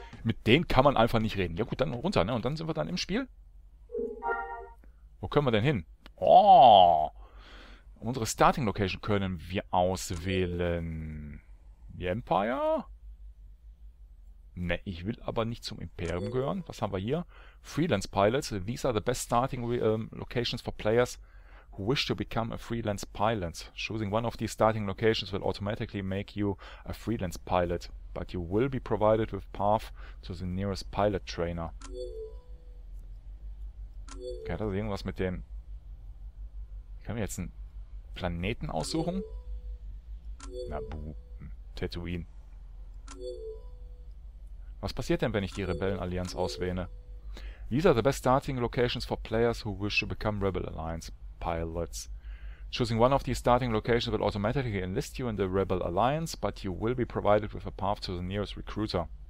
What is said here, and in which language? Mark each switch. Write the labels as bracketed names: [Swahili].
[German] Mit denen kann man einfach nicht reden. Ja gut, dann runter, ne? Und dann sind wir dann im Spiel. Wo können wir denn hin? Oh! Unsere Starting Location können wir auswählen. The Empire? Ne, ich will aber nicht zum Imperium gehören. Was haben wir hier? Freelance Pilots. [English] These are the best starting locations for players who wish to become a freelance pilot. Choosing one of these starting locations will automatically make you a freelance pilot. But you will be provided with path to the nearest pilot trainer. [German] Okay, das ist irgendwas mit dem... Ich kann mir jetzt einen Planeten aussuchen. Nabu. Tatooine. Was passiert denn, wenn ich die Rebellenallianz auswähle? [English] These are the best starting locations for players who wish to become Rebel Alliance pilots. Choosing one of these starting locations will automatically enlist you in the Rebel Alliance, but you will be provided with a path to the nearest recruiter.